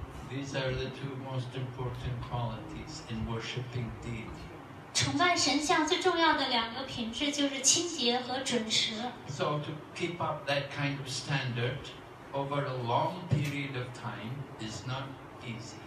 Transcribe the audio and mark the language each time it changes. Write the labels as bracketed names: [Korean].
[English] These are the two most important qualities in worshipping deity. [Chinese] 崇拜神像最重要的两个品质就是清洁和准时。 [English] So to keep up that kind of standard over a long period of time is not easy.